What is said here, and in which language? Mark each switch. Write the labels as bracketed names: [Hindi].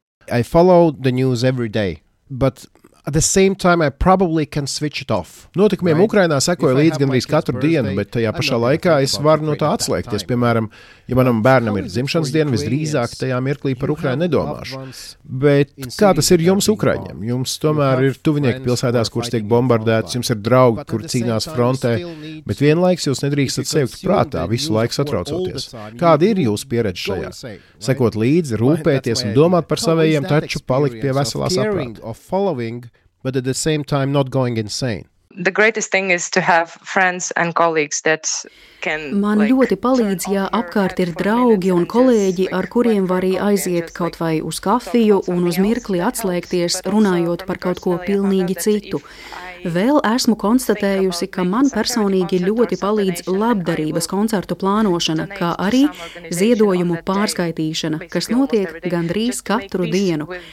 [English] I follow the news every day, but at the same time I probably can switch it off. [Latvian] Notikumiem Ukrainā sekoju līdz gandrīz katru dienu, bet tajā pašā laikā es varu no tā atslēgties. Piemēram, ja manam bērnam ir dzimšanas diena, visdrīzāk tajā mirklī par Ukrainu nedomāšu. Bet kā tas ir jums ukraiņiem? Jums tomēr ir tuvinieki pilsētās, kuras tiek bombardētas, jums ir draugi, kur cīnās frontē, bet vienlaiks jūs nedrīkstat sevi prātā, visu laiku satraucoties. Kāda ir jūsu pieredze šajā? Sekot līdzi, rūpēties un domāt par savējiem, taču palikt pie veselās aprāta. [English] But at the same time not going insane. The greatest thing is to have friends and colleagues that can [Latvian] man ļoti palīdz, ja apkārt ir draugi un kolēģi, ar kuriem var aiziet kaut vai uz kafiju un uz mirkli atslēgties, runājot par kaut ko pilnīgi citu. Vēl esmu konstatējusi, ka man personīgi ļoti palīdz labdarības koncertu plānošana, kā arī ziedojumu pārskaitīšana, kas notiek gandrīz katru dienu.